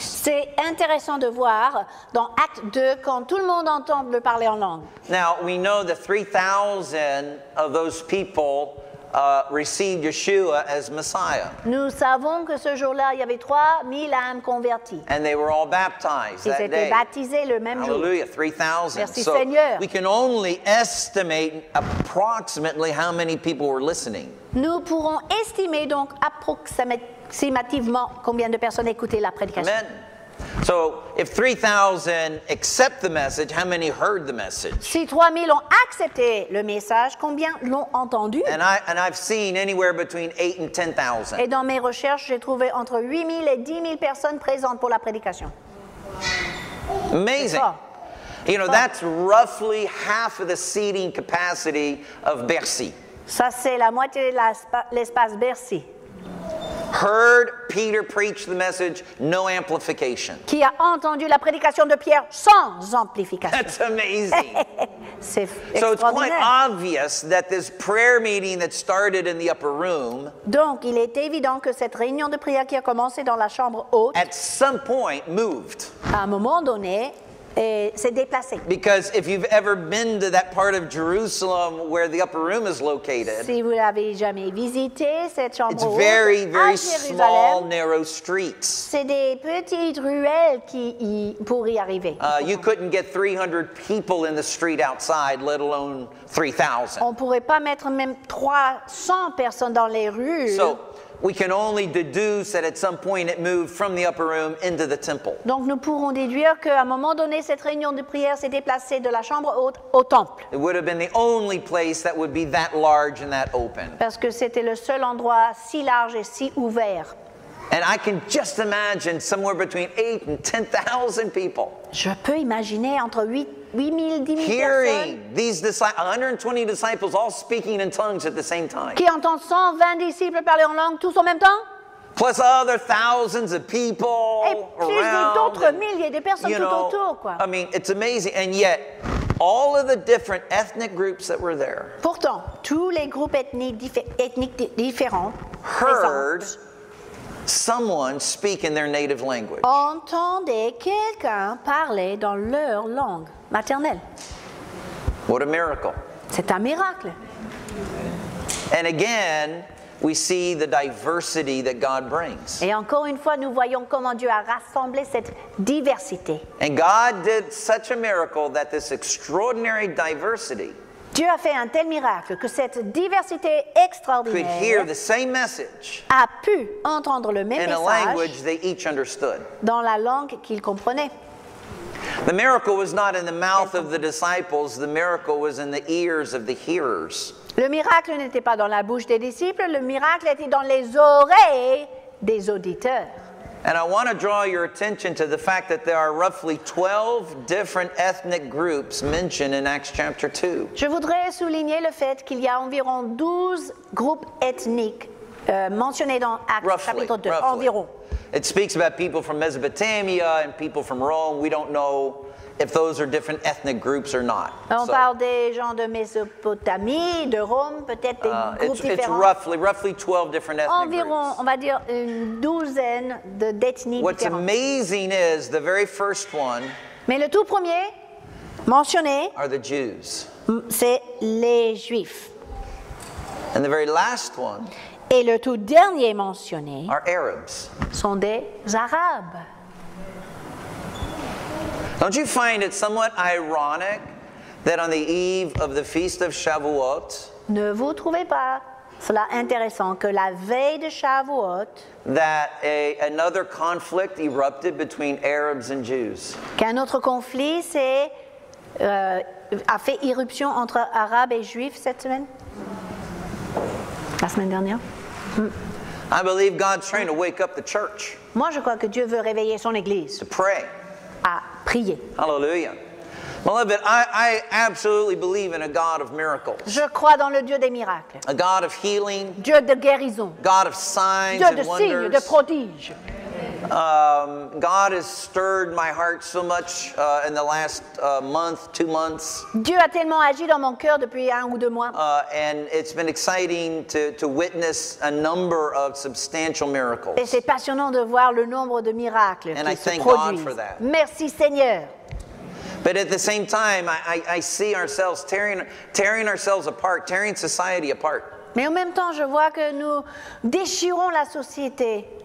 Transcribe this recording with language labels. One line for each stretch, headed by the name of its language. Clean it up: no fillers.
French: C'est intéressant de voir dans acte 2 quand tout le monde entend le parler en langue.
English: Now, we know that 3,000 of those people received Yeshua as Messiah.
French: Nous savons que ce jour-là, il y avait 3,000 âmes converties.
English: And they were all baptized
French: Ils
English: that
French: étaient Baptisés le même Hallelujah, jour. Hallelujah, 3,000.
English: so
French: Seigneur.
English: We can only estimate approximately how many people were listening.
French: Nous pourrons estimer donc approximativement combien de personnes écoutaient la prédication. Amen.
English: So, if 3,000 accept the message, how many heard the message?
French: Si 3,000 ont accepté le message, combien l'ont entendu?
English: And I've seen anywhere between 8 and 10,000.
French: Et dans mes recherches, j'ai trouvé entre 8,000 et 10,000 personnes présentes pour la prédication.
English: Amazing. You know, that's roughly half of the seating capacity of Bercy.
French: Ça, c'est la moitié de l'espace Bercy.
English: Heard Peter preach the message, no amplification.
French: Qui a entendu la prédication de Pierre sans amplification.
English: That's amazing.
French: C'est
English: so it's quite obvious that this prayer meeting that started in the upper room.
French: Donc il est évident que cette réunion de prière qui a commencé dans la chambre haute.
English: At some point moved.
French: À un moment donné. Et s'est déplacé.
English: Because if you've ever been to that part of Jerusalem where the upper room is located,
French: si vous l'avez jamais visité, cette chambre
English: it's very, very small, narrow streets.
French: C'est des petites ruelles pour y arriver.
English: You couldn't get 300 people in the street outside, let alone 3,000.
French: On pourrait pas mettre même 300 personnes dans les rues.
English: So, we can only deduce that at some point it moved from the upper room into the temple.
French: Donc nous pourrons déduire qu'à un moment donné cette réunion de prière s'est déplacée de la chambre haute au temple.
English: It would have been the only place that would be that large and that open.
French: Parce que c'était le seul endroit si large et si ouvert.
English: And I can just imagine somewhere between 8 and 10,000 people.
French: Je peux imaginer entre
English: 120 disciples all speaking in tongues at the same time.
French: Qui entend 120 disciples parler en langue tous en même temps?
English: Plus other thousands of people around.
French: Et plus d'autres milliers de personnes tout autour, quoi.
English: I mean, it's amazing, and yet all of the different ethnic groups that were there.
French: Pourtant, tous les groupes ethniques différents
English: heard someone speak in their native language.
French: Entendez quelqu'un parler dans leur langue. Maternelle.
English: What a miracle.
French: C'est un miracle.
English: And again, we see the diversity that God brings.
French: Et encore une fois, nous voyons comment Dieu a rassemblé cette diversité.
English: And God did such a miracle that this extraordinary diversity.
French: Dieu a fait un tel miracle que cette diversité extraordinaire
English: could hear the same message
French: a pu entendre le même
English: in
French: message
English: a language they each understood.
French: Dans la langue qu'ils comprenaient.
English: The miracle was not in the mouth of the disciples, the miracle was in the ears of the hearers.
French: Le miracle n'était pas dans la bouche des disciples, le miracle était dans les oreilles des auditeurs.
English: And I want to draw your attention to the fact that there are roughly 12 different ethnic groups mentioned in Acts chapter 2.
French: Je voudrais souligner le fait qu'il y a environ 12 groupes ethniques mentionnés dans Acts chapitre 2,
English: roughly.
French: Environ.
English: It speaks about people from Mesopotamia and people from Rome. We don't know if those are different ethnic groups or not.
French: On parle des gens de Mésopotamie, de Rome, peut-être des groupes différents.
English: It's roughly 12 different ethnic
French: environ,
English: groups.
French: On va dire une douzaine d'ethnies.
English: What's amazing is the very first one.
French: Mais le tout premier mentionné
English: are the Jews.
French: C'est les Juifs.
English: And the very last one.
French: Et le tout dernier mentionné
English: are Arabs.
French: Sont des Arabes.
English: Don't you find it somewhat ironic that on the eve of the feast of Shavuot,
French: ne vous trouvez pas cela intéressant que la veille de Shavuot, that another conflict erupted between Arabs and Jews. Qu'un autre conflit a fait irruption entre Arabes et Juifs cette semaine? La semaine dernière?
English: I believe God's trying to wake up the church.
French: Moi, je crois que Dieu veut réveiller son église.
English: To pray.
French: À prier.
English: Hallelujah. Beloved, I absolutely believe in a God of miracles.
French: Je crois dans le Dieu des miracles.
English: A God of healing.
French: Dieu de guérison.
English: God of signs
French: Dieu
English: and wonders.
French: Dieu de signes, de prodiges.
English: God has stirred my heart so much in the last month, 2 months.
French: Dieu a tellement agi dans mon cœur depuis un ou deux mois.
English: And it's been exciting to witness a number of substantial miracles.
French: Et c'est passionnant de voir le nombre de miracles
English: and
French: qui
English: I
French: se
English: thank
French: produisent.
English: God for that.
French: Merci Seigneur.
English: But at the same time, I see ourselves tearing ourselves apart, tearing society apart.
French: Mais en même temps, je vois que nous déchirons la société.